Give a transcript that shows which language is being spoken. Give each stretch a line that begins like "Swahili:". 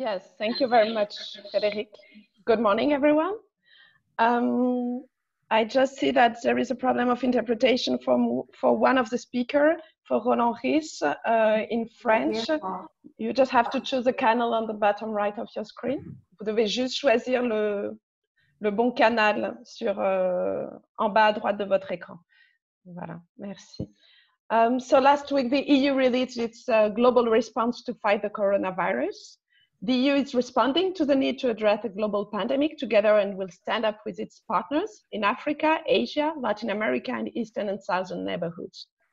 English: Yes, thank you very much, Frédéric. Good morning, everyone. I just see that there is a problem of interpretation for one of the speakers, for Roland Ries, in French. You just have to choose the channel on the bottom right of your screen.
French: Vous devez juste choisir le bon canal sur en bas à droite de votre écran. Voilà, merci.
English: So last week, the EU released its global response to fight the coronavirus. The EU is responding to the need to address a global pandemic together and will stand up with its partners in Africa, Asia, Latin America, and Eastern and Southern neighborhoods.